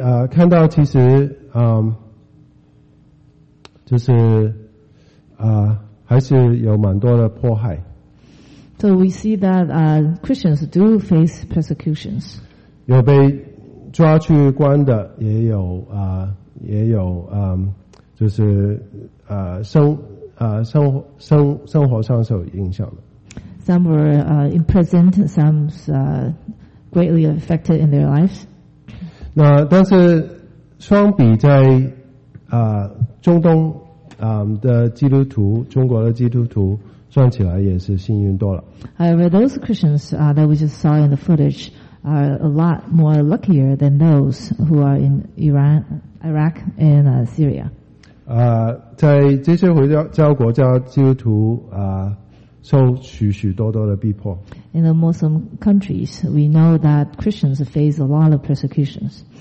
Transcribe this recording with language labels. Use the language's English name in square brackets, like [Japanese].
[Chinese] 看到其实就是还是有蛮多的迫害。 [English] So we see that Christians do face persecutions. [Chinese] 有被抓去关的，也有也有就是生活上受影响的。 [English] Some were imprisoned, some greatly affected in their lives. [Chinese] 那但是相比在中东的基督徒，中国的基督徒算起来也是幸运多了。 [English] However, those Christians that we just saw in the footage are a lot more luckier than those who are in Iran, Iraq, and Syria. [Chinese] 在这些回教国家基督徒受许许多多的逼迫。 [English] In the Muslim countries, we know that Christians face a lot of persecutions.